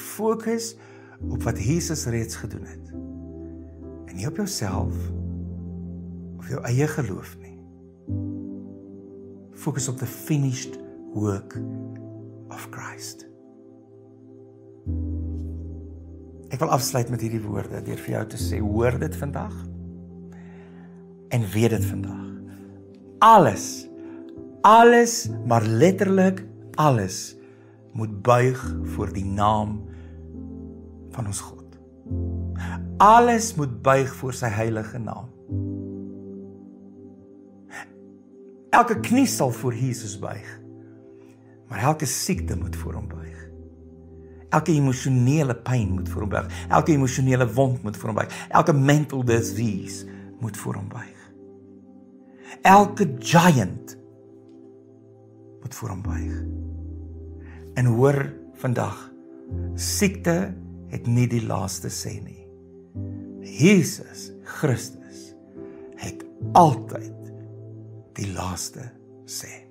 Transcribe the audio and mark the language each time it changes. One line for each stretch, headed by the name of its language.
Afrikaans: Fokus op wat Jesus reeds gedoen het. En nie op jouself of jou eie geloof nie.
English: Focus op the finished work of Christ.
Afrikaans: Ek wil afsluit met hierdie woorde deur vir jou te sê, hoor dit vandag en weet dit vandag. Alles, maar letterlik alles moet buig voor die naam van ons God. Alles moet buig voor sy heilige naam. Elke knie sal voor Jesus buig. Maar elke siekte moet voor hom buig. Elke emosionele pyn moet voor hom buig. Elke emosionele wond moet voor hom buig. Elke
English: mental disease
Afrikaans: moet voor hom buig. Elke giant moet voor hom buig. En hoor vandag, siekte het nie die laaste sê nie. Jesus Christus het altyd die laaste sê.